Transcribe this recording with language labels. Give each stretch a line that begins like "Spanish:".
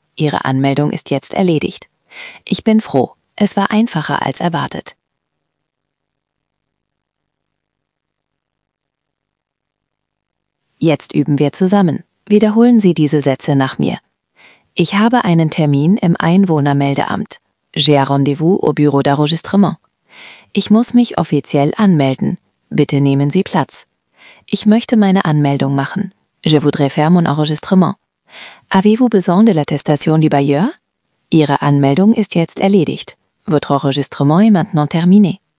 German: Ihre Anmeldung ist jetzt erledigt. Ich bin froh. Es war einfacher als erwartet. Jetzt üben wir zusammen. Wiederholen Sie diese Sätze nach mir. Ich habe einen Termin im Einwohnermeldeamt.
French: J'ai rendez-vous au bureau d'enregistrement.
German: Ich muss mich offiziell anmelden. Bitte nehmen Sie Platz. Ich möchte meine Anmeldung machen.
French: Je voudrais faire mon enregistrement. Avez-vous besoin de l'attestation du bailleur?
German: Ihre Anmeldung ist jetzt erledigt.
French: Votre enregistrement est maintenant terminé.